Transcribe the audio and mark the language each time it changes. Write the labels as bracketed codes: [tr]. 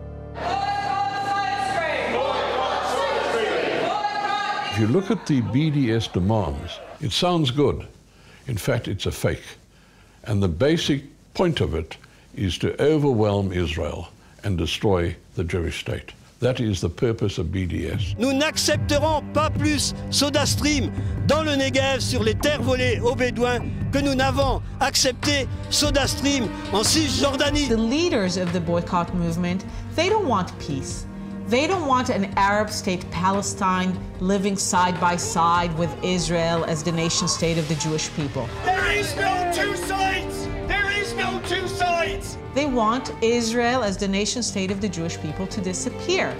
[en] If you look at the BDS demands, it sounds good. In fact, it's a fake. And the basic point of it is to overwhelm Israel and destroy the Jewish state. That is the purpose of BDS. [fr] Nous n'accepterons pas plus Soda Stream dans le Negev sur les terres volées aux Bédouins que nous n'avons accepté Soda Stream en Cisjordanie. [en] The leaders of the boycott movement, they don't want peace. They don't want an Arab state, Palestine, living side by side with Israel as the nation state of the Jewish people. There is no two sides! There is no two sides! They want Israel as the nation state of the Jewish people to disappear.